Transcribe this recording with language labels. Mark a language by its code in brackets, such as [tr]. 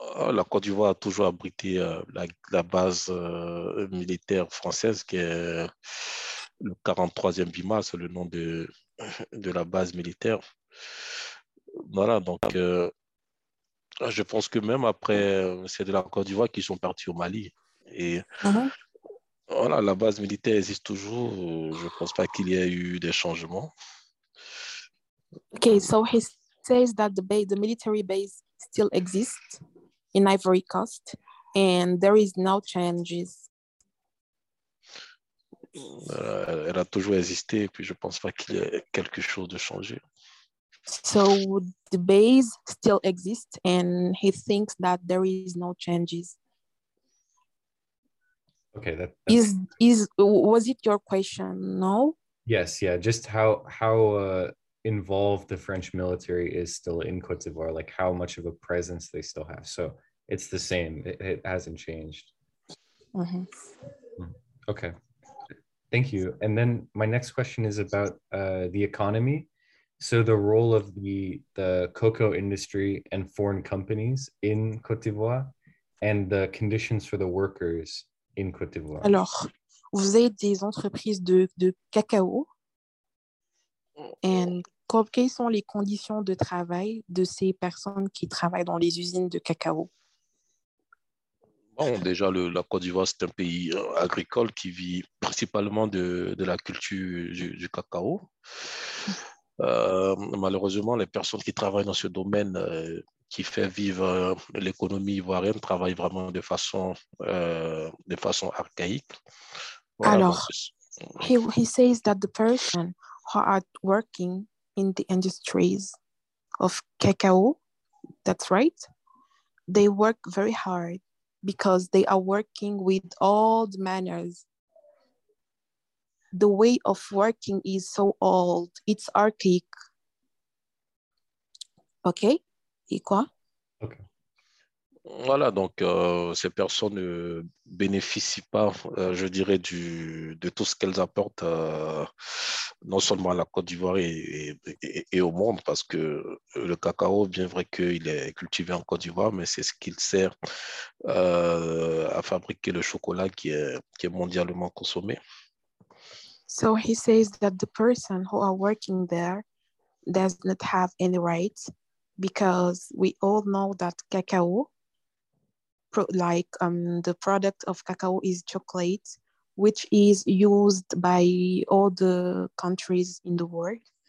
[fr] La Côte d'Ivoire a toujours abrité la base militaire française qui est le 43e Bima, c'est le nom de la base militaire. Voilà, donc je pense que même après, c'est de la Côte d'Ivoire qu'ils sont partis au Mali. Et voilà, la base militaire existe toujours. Je ne pense pas qu'il y ait eu des changements. [en] Ok, so he says that the military base still exists in Ivory Coast, and there is no changes. [fr] Elle a toujours existé, et puis je pense pas qu'il y ait quelque chose de changé. [en] So the base still exists, and he thinks that there is no changes. Okay, that was it your question? No. Yes. Yeah. Just how involved the French military is still in Côte d'Ivoire, like how much of a presence they still have. So. It's the same. It hasn't changed. Mm-hmm. Okay. Thank you. And then my next question is about the economy. So the role of the cocoa industry and foreign companies in Côte d'Ivoire and the conditions for the workers in Côte d'Ivoire. [fr] Alors, vous avez des entreprises de cacao. And quelles sont les conditions de travail de ces personnes qui travaillent dans les usines de cacao? Bon, déjà, la Côte d'Ivoire, c'est un pays agricole qui vit principalement de la culture du cacao. Malheureusement, les personnes qui travaillent dans ce domaine, qui fait vivre l'économie ivoirienne, travaillent vraiment de façon archaïque. Voilà. [en] Alors, he says that the person who are working in the industries of cacao, that's right, they work very hard. Because they are working with old manners. The way of working is so old, it's archaic. [fr] OK? Et quoi? [en] OK. [fr] Voilà, donc ces personnes ne bénéficient pas, je dirais, de tout ce qu'elles apportent, non seulement à la Côte d'Ivoire et au monde, parce que le cacao, bien vrai qu'il est cultivé en Côte d'Ivoire, mais c'est ce qu'il sert à fabriquer le chocolat qui est mondialement consommé. [en] So he says that the person who are working there does not have any rights, because we all know that cacao, the product of cacao is chocolate, which is used by all the countries in the world.